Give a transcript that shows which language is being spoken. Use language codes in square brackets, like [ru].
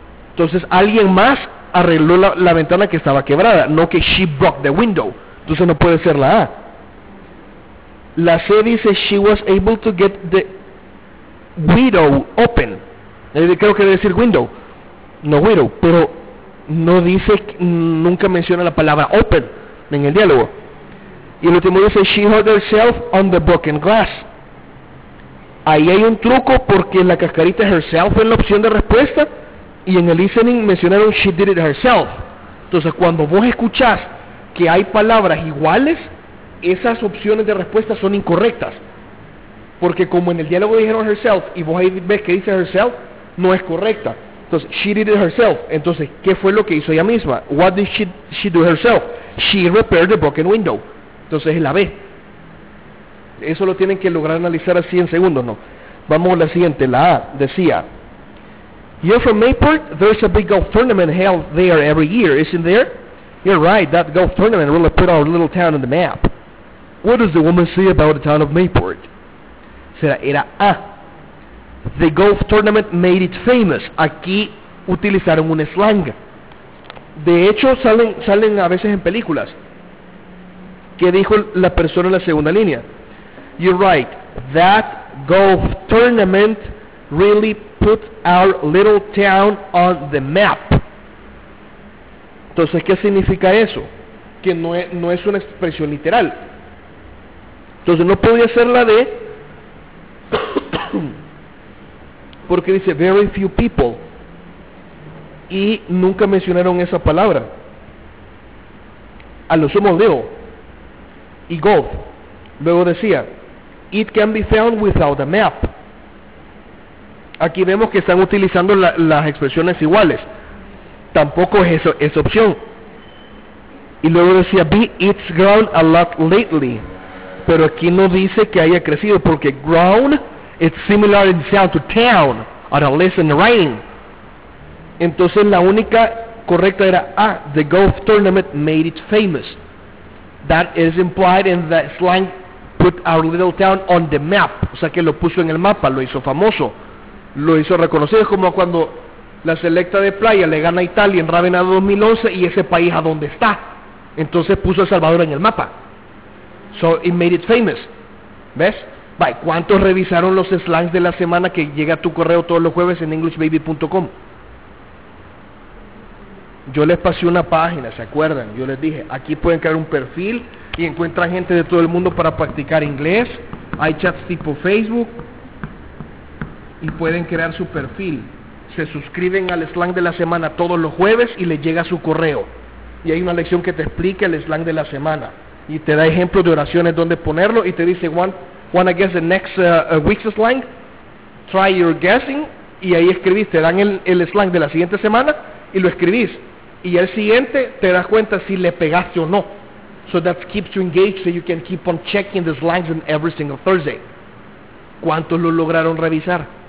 [es] Entonces alguien más arregló la ventana que estaba quebrada, no que [en] she broke the window. [es] Entonces no puede ser la A. La C dice, [en] she was able to get the window open. [es] Creo que debe decir window, no widow, pero no dice, nunca menciona la palabra open en el diálogo. Y el último dice, [en] she hurt herself on the broken glass. [es] Ahí hay un truco, porque la cascarita herself es la opción de respuesta, y en el listening mencionaron [en] she did it herself. [es] Entonces cuando vos escuchás que hay palabras iguales, esas opciones de respuesta son incorrectas, porque como en el diálogo dijeron herself y vos ahí ves que dice herself, no es correcta. Entonces, [en] she did it herself. [es] Entonces, ¿qué fue lo que hizo ella misma? [en] What did she do herself? She repaired the broken window. [es] Entonces, es la B. Eso lo tienen que lograr analizar así en segundos, ¿no? Vamos a la siguiente, la A. Decía, [en] you're from Mayport? There's a big golf tournament held there every year, isn't there? You're right, that golf tournament really put our little town on the map. What does the woman say about the town of Mayport? [es] Será, era A. [en] The golf tournament made it famous. [es] Aquí utilizaron un slang. De hecho, salen a veces en películas. ¿Qué dijo la persona en la segunda línea? [en] You're right. That golf tournament really put our little town on the map. [es] Entonces, ¿qué significa eso? Que no es una expresión literal. Entonces, no podía ser la de... Porque dice [en] very few people [es] y nunca mencionaron esa palabra, a lo sumo little y golf. Luego decía, [en] it can be found without a map. [es] Aquí vemos que están utilizando las expresiones iguales, tampoco es eso, esa opción. Y luego decía B, [en] it's grown a lot lately, [es] pero aquí no dice que haya crecido, porque [en] grown, it's similar in sound to town. [es] Ahora, [en] listen, writing. [es] Entonces, la única correcta era A. [en] The golf tournament made it famous. That is implied in the slang put our little town on the map. [es] O sea, que lo puso en el mapa, lo hizo famoso. Lo hizo reconocido. Es como cuando la selecta de playa le gana a Italia en Ravenna 2011 y ese país a dónde está. Entonces, puso a Salvador en el mapa. [en] So, it made it famous. [es] ¿Ves? [en] Bye. [es] ¿Cuántos revisaron los slangs de la semana que llega a tu correo todos los jueves en englishbaby.com? Yo les pasé una página, ¿se acuerdan? Yo les dije, aquí pueden crear un perfil y encuentran gente de todo el mundo para practicar inglés. Hay chats tipo Facebook y pueden crear su perfil. Se suscriben al slang de la semana todos los jueves y les llega su correo. Y hay una lección que te explica el slang de la semana y te da ejemplos de oraciones donde ponerlo y te dice, [en] Juan, wanna guess the next week's slang? Try your guessing. [es] Y ahí escribís, te dan el slang de la siguiente semana y lo escribís. Y al siguiente te das cuenta si le pegaste o no. [en] So that keeps you engaged, so you can keep on checking the slangs on every single Thursday. [es] ¿Cuántos lo lograron revisar?